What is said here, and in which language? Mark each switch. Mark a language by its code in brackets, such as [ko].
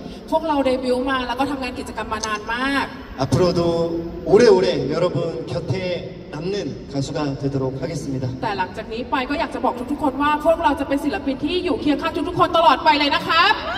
[th] พวกเราได้บิวมาแล้วก็ทำงานกิจกรรมมานานมาก [ko] 앞으로도 오래오래 여러분 곁에 남는 가수가 되도록 하겠습니다. [th] แต่หลังจากนี้ไปก็อยากจะบอกทุกๆคนว่าพวกเราจะเป็นศิลปินที่อยู่เคียงข้างทุกๆคนตลอดไปเลยนะครับ